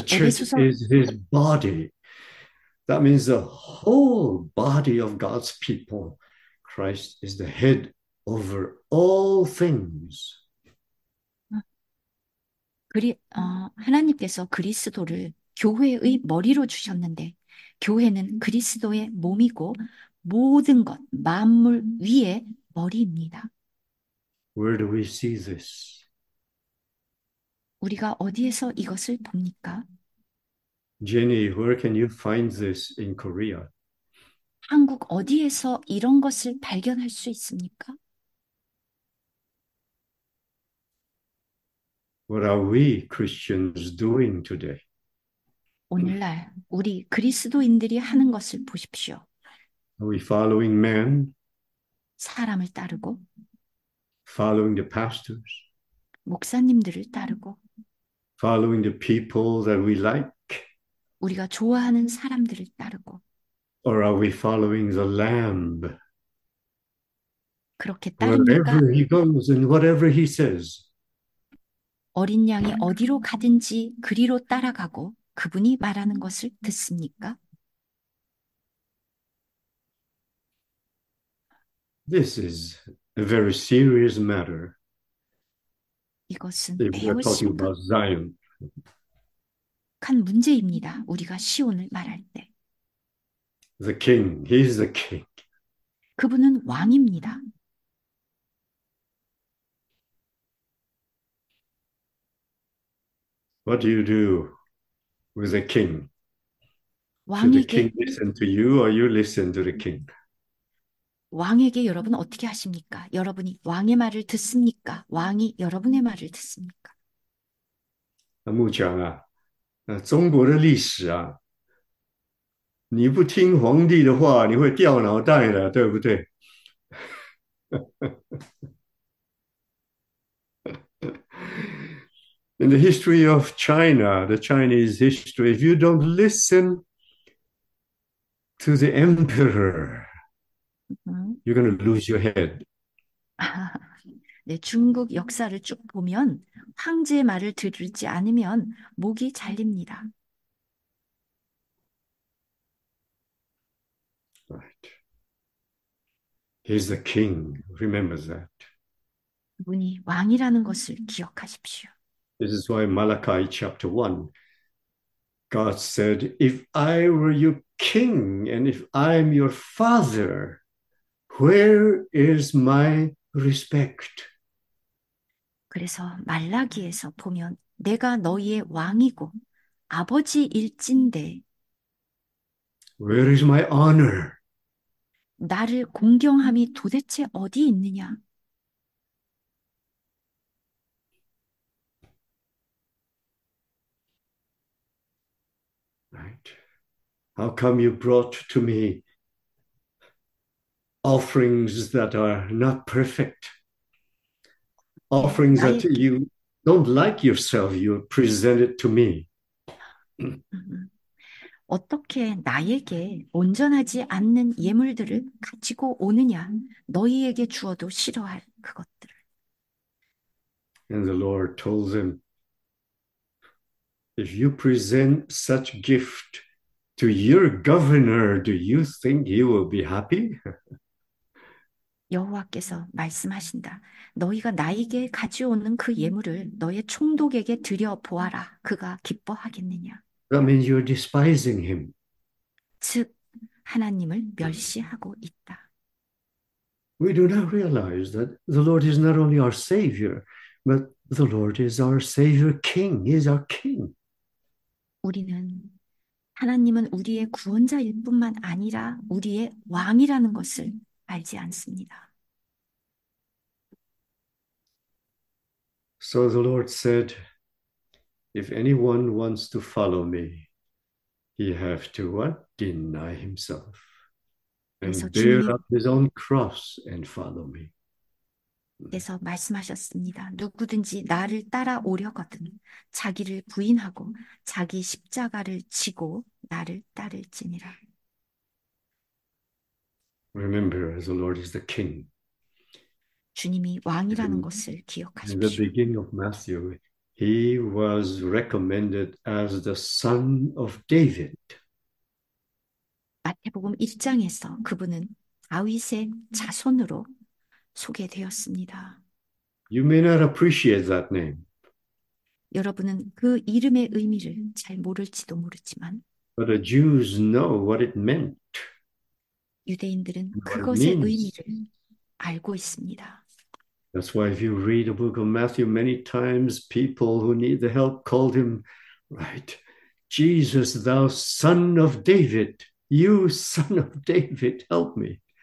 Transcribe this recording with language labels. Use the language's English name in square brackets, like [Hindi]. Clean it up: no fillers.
[English] church [Korean] 에베소서 [English] is his body. That means the whole body of God's people. Christ is the head over all things. [Korean] 하나님께서 그리스도를 교회의 머리로 주셨는데, 교회는 그리스도의 몸이고, 모든 것, 만물 위에 머리입니다. [English] Where do we see this? [Korean] 우리가 어디에서 이것을 봅니까? [English] Jenny, where can you find this in Korea? [Korean] 한국 어디에서 이런 것을 발견할 수 있습니까? [English] What are we Christians doing today? [Korean] 오늘날 우리 그리스도인들이 하는 것을 보십시오. [English] Are we following man? [Korean] 사람을 따르고 [English] Following the pastors, [Korean] 목사님들을 따르고 [English] following the people that we like, [Korean] 우리가 좋아하는 사람들을 따르고 [English] or are we following the Lamb [Korean] 그렇게 따릅니까? [English] wherever he goes and whatever he says? [Korean] 어린 양이 어디로 가든지 그리로 따라가고 그분이 말하는 것을 듣습니까? [English] This is a very serious matter [Korean] 이것은 [English] if we are [Korean] 매우 [English] talking about Zion. [Korean] 심각한 문제입니다. 우리가 시온을 말할 때. [English] The king, he is the king. [Korean] 그분은 왕입니다. [English] What do you do with a king? Should the king [Korean] 왕에게 [English] listen to you or you listen to the king? [Korean] 여러분 어떻게 하십니까? 여러분이 왕의 말을 듣습니까? 왕이 여러분의 말을 듣습니까? [Chinese] 牧长啊，中国的历史啊，你不听皇帝的话，你会掉脑袋的，对不对？ [English] In the history of China, the Chinese history, if you don't listen to the emperor, you're going to lose your head. [Korean] 네, 중국 역사를 쭉 보면 황제의 말을 들지 않으면 목이 잘립니다. [English] He's the king. Remember that. [Korean] 그분이 왕이라는 것을 기억하십시오. [English] This is why Malachi chapter 1, God said, if I were your king and if I'm your father, where is my respect? [Korean] 그래서 말라기에서 보면 내가 너희의 왕이고 아버지일진데 [English] Where is my honor? [Korean] 나를 공경함이 도대체 어디 있느냐? [English] How come you brought to me offerings that are not perfect? Offerings that you don't like yourself, you presented to me. [Korean] 어떻게 나에게 온전하지 않는 예물들을 가지고 오느냐? 너희에게 주어도 싫어할 그것들을. [English] And the Lord told them, if you present such gift to your governor, do you think he will be happy? [Korean] 여호와께서 말씀하신다. 너희가 나에게 가져오는 그 예물을 너의 총독에게 드려 보아라. 그가 기뻐하겠느냐? [English] That means you're despising him. [Korean] 즉, 하나님을 멸시하고 있다. [English] We do not realize that the Lord is not only our Savior, but the Lord is our Savior King. He is our King. [Korean] 하나님은 우리의 구원자일 뿐만 아니라 우리의 왕이라는 것을 알지 않습니다. [English] So the Lord said, if anyone wants to follow me, he have to what? Deny himself and bear up his own cross and follow me. [Korean] 그래서 말씀하셨습니다. 누구든지 나를 따라오려거든 자기를 부인하고 자기 십자가를 지고 나를 따를지니라. [English] Remember, as the Lord is the King. [Korean] 주님이 왕이라는 것을 [English] In the [Korean] 기억하십시오. [English] beginning of Matthew, he was recommended as the son of David. [Korean] 마태복음 1장에서 그분은 다윗의 자손으로 소개되었습니다. [English] You may not appreciate that name. [Korean] 여러분은 그 이름의 의미를 잘 모를지도 모르지만 [English] But the Jews know what it meant, [Korean] 유대인들은 [English] what it [Korean] 그것의 [English] means. [Korean] 의미를 알고 있습니다. [English] That's why if you read the book of Matthew many times, people who need the help called him, right, Jesus, thou son of David, you son of David, help me.